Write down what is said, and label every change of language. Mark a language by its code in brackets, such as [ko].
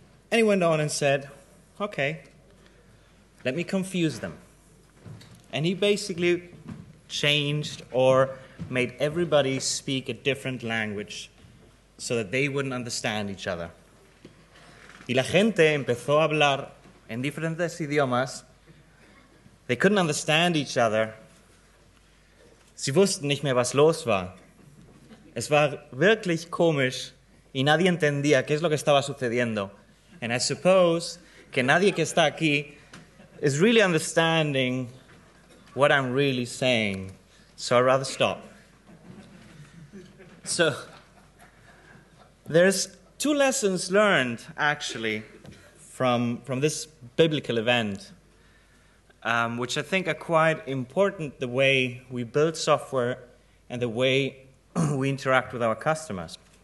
[en] And he went on and said, "Okay, let me confuse them." And he basically changed or made everybody speak a different language so that they wouldn't understand each other. [es] Y la gente empezó a hablar en diferentes idiomas. [en] They couldn't understand each other. [de] Sie wussten nicht mehr, was los war. Es war wirklich komisch [es] y nadie entendía qué es lo que estaba sucediendo. [en] And I suppose [es] que nadie que está aquí [en] is really understanding what I'm really saying. So I'd rather stop. So there's two lessons learned, actually, from this biblical event, which I think are quite important, the way we build software and the way we interact with our customers.